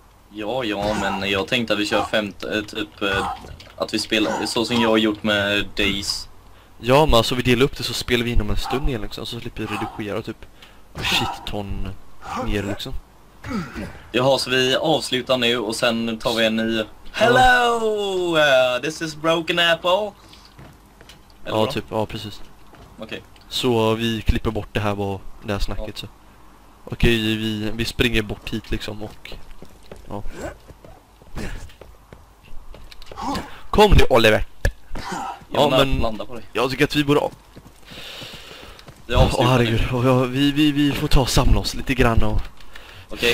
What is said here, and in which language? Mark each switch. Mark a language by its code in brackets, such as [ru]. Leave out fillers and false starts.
[sv] Ja, men jag tänkte att vi kör typ att vi spelar så som jag har gjort med Days. Ja, men alltså vi delar upp det så spelar vi inom en stund igen liksom, så slipper vi redigera typ shit ton ner liksom. Jaha, så vi avslutar nu och sen tar vi en ny. [en] Hello, this is Broken Apple. [sv] Eller ja, då? Typ, ja precis. Okej. Okay. Så vi klipper bort det här, var det här snacket, ja. Så. Okej, okay, vi springer bort hit liksom och... Ja. Kom nu, Oliver. Ja, men landa på dig. Jag tycker att vi borde av. Åh herregud, vi får ta och samla oss lite grann och okay.